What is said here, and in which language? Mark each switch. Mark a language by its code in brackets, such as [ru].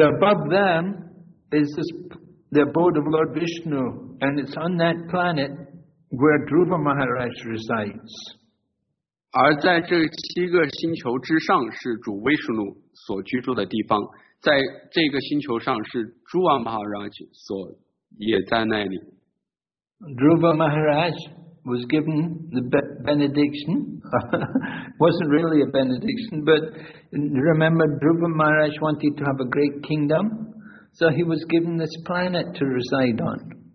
[en] above them is the abode of Lord Vishnu, and it's on that planet where Dhruva Maharaj resides. [zh] 而在这七个星球之上是主威士努所居住的地方，在这个星球上是朱瓦马哈拉也在那里。Dhruva [en] Maharaj was given the benediction. Wasn't really a benediction, but remember Dhruva Maharaj wanted to have a great kingdom, so he was given this planet to reside on.